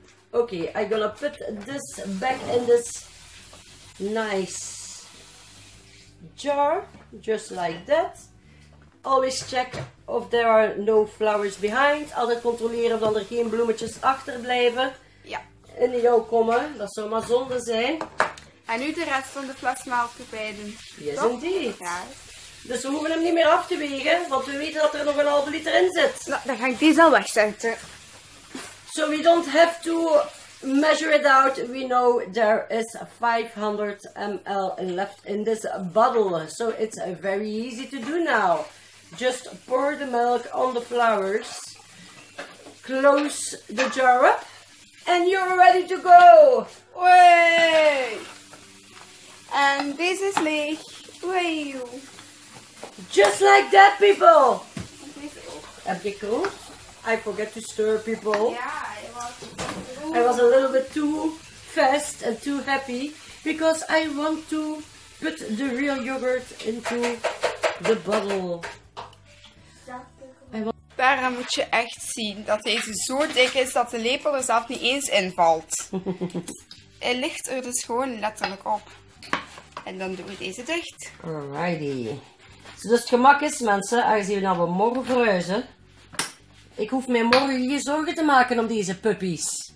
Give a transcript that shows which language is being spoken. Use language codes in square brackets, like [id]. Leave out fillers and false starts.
[en] Oké, okay, I'm gonna put this back in this nice jar. Just like that. Always check of there are no flowers behind. [nl] Altijd controleren of er geen bloemetjes achterblijven. Ja. In jouw kommen, dat zou maar zonde zijn. En nu de rest van de fles melk erbij doen. Yes, toch? Indeed. Ja. Dus we hoeven hem niet meer af te wegen, want we weten dat er nog een halve liter in zit. Nou, dan ga ik deze al wegzetten. [en] So we don't have to measure it out. We know there is 500 ml left in this bottle. So it's very easy to do now. Just pour the milk on the flowers. Close the jar up. And you're ready to go. Way. And this is leeg. Way you. Just like that, people! [nl] Heb je koos? [en] I forget to stir, people. Yeah, I was a little bit too fast and too happy because I want to put the real yogurt into the bottle. [nl] Daarom moet je echt zien dat deze zo dik is dat de lepel er zelf niet eens invalt. Hij ligt er dus gewoon letterlijk op. En dan doen we deze dicht. [en] Alrighty. [nl] Dus het gemak is, mensen, aangezien we nou morgen verhuizen. Ik hoef mij morgen geen zorgen te maken om deze puppies.